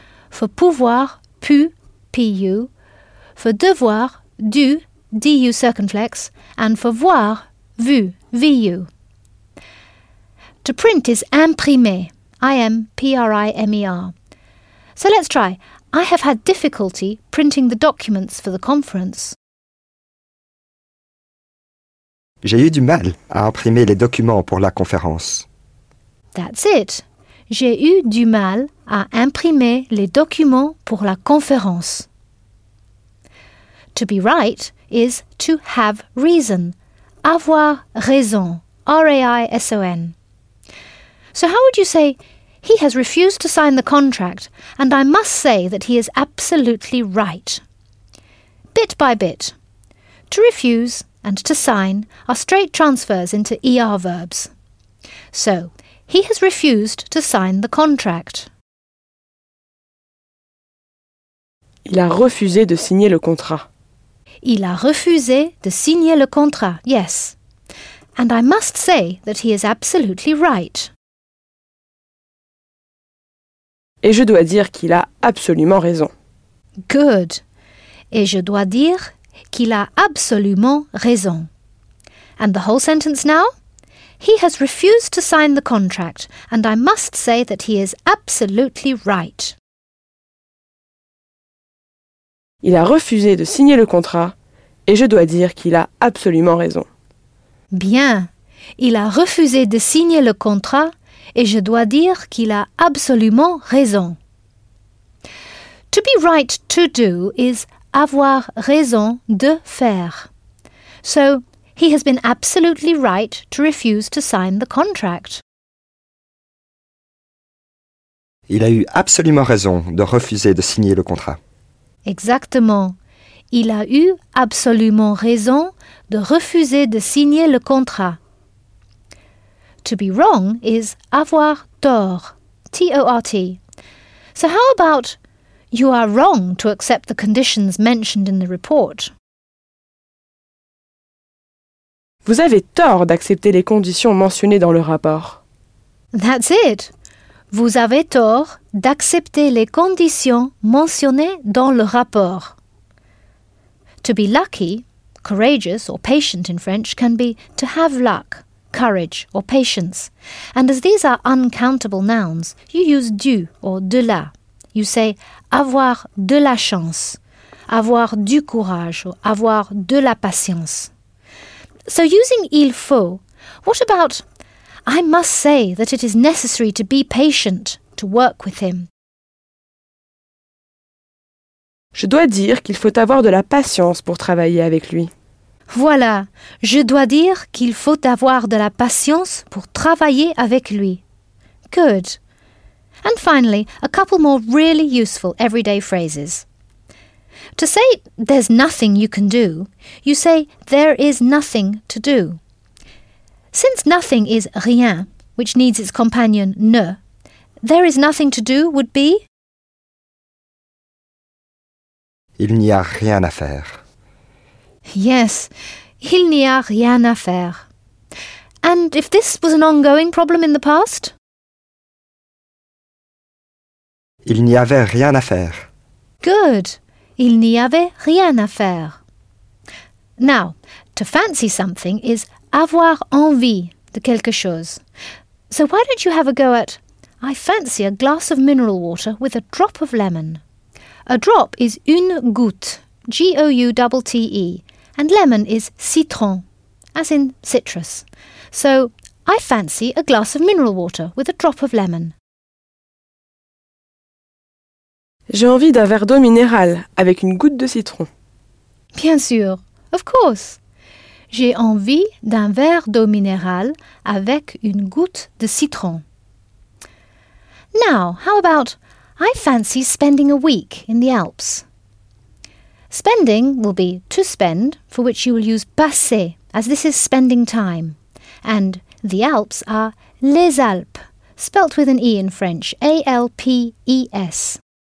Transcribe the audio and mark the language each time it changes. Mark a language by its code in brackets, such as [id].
[en] For pouvoir, pu, P-U. For devoir, dû, D-U circumflex. And for voir, vu, V-U. To print is imprimer, I-M-P-R-I-M-E-R. So let's try. I have had difficulty printing the documents for the conference. [fr] J'ai eu du mal à imprimer les documents pour la conférence. [en] That's it. [fr] J'ai eu du mal à imprimer les documents pour la conférence. [en] To be right is to have reason. [fr] Avoir raison. [en] R-A-I-S-O-N. So how would you say... He has refused to sign the contract, and I must say that he is absolutely right. Bit by bit. To refuse and to sign are straight transfers into ER verbs. So, he has refused to sign the contract. [fr] Il a refusé de signer le contrat. Il a refusé de signer le contrat, yes. [en] And I must say that he is absolutely right. [fr] Et je dois dire qu'il a absolument raison. [en] Good. [fr] Et je dois dire qu'il a absolument raison. [en] And the whole sentence now? He has refused to sign the contract, and I must say that he is absolutely right. [fr] Il a refusé de signer le contrat, et je dois dire qu'il a absolument raison. Bien. Il a refusé de signer le contrat, et je dois dire qu'il a absolument raison. [en] To be right to do is [fr] avoir raison de faire. [en] So, He has been absolutely right to refuse to sign the contract. [fr] Il a eu absolument raison de refuser de signer le contrat. Exactement. Il a eu absolument raison de refuser de signer le contrat. [en] To be wrong is [fr] avoir tort. [en] T-O-R-T. So how about you are wrong to accept the conditions mentioned in the report? [fr] Vous avez tort d'accepter les conditions mentionnées dans le rapport. [en] That's it. [fr] Vous avez tort d'accepter les conditions mentionnées dans le rapport. [en] To be lucky, courageous or patient in French, can be to have luck, courage or patience. And as these are uncountable nouns, you use du or de la. You say [fr] avoir de la chance, avoir du courage or avoir de la patience. [en] So using il faut, what about I must say that it is necessary to be patient to work with him? [fr] Je dois dire qu'il faut avoir de la patience pour travailler avec lui. Voilà, je dois dire qu'il faut avoir de la patience pour travailler avec lui. [en] Good. And finally, a couple more really useful everyday phrases. To say there's nothing you can do, you say there is nothing to do. Since nothing is rien, which needs its companion ne, there is nothing to do would be [fr] il n'y a rien à faire. Yes, il n'y a rien à faire. [en] And if this was an ongoing problem in the past? [fr] Il n'y avait rien à faire. Good. Il n'y avait rien à faire. [en] Now, to fancy something is [fr] avoir envie de quelque chose. [en] So why don't you have a go at I fancy a glass of mineral water with a drop of lemon. A drop is une goutte, G-O-U-T-T-E, and lemon is citron, as in citrus. So, I fancy a glass of mineral water with a drop of lemon. [fr] J'ai envie d'un verre d'eau minérale avec une goutte de citron. Bien sûr, [en] of course. [fr] J'ai envie d'un verre d'eau minérale avec une goutte de citron. [en] Now, how about I fancy spending a week in the Alps. Spending will be to spend, for which you will use passer, as this is spending time. And the Alps are [fr] les Alpes, [en] spelt with an E in French, A-L-P-E-S.